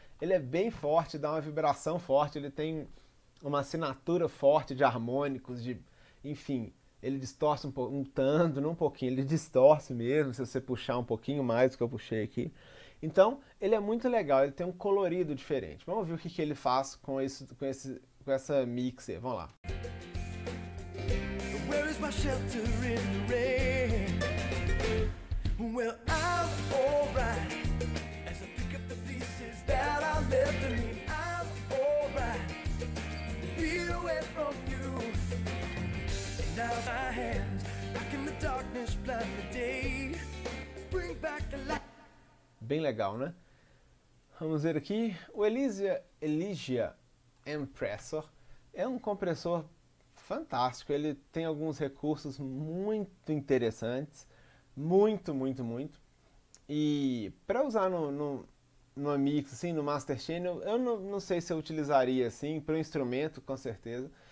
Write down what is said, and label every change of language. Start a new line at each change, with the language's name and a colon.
Portuguese: Ele é bem forte, dá uma vibração forte. Ele tem uma assinatura forte de harmônicos, de. Enfim, ele distorce um pouco, um tanto, não um pouquinho. Ele distorce mesmo, se você puxar um pouquinho mais do que eu puxei aqui. Então, ele é muito legal, ele tem um colorido diferente. Vamos ver o que que ele faz com isso, com essa mixer. Vamos lá.
English: Where is my shelter in the rain? Well, I'm alright. As I pick up the pieces that I left in me, I'm alright. Feet away from you. Now my hands back in the darkness, blind the day. Bring back the light.
Portuguese: Bem legal, né? Vamos ver aqui. O Elijah Empressor é um compressor fantástico. Ele tem alguns recursos muito interessantes. Muito, muito, muito. E para usar no mix, assim, no Master Channel, eu não sei se eu utilizaria assim, para o instrumento, com certeza.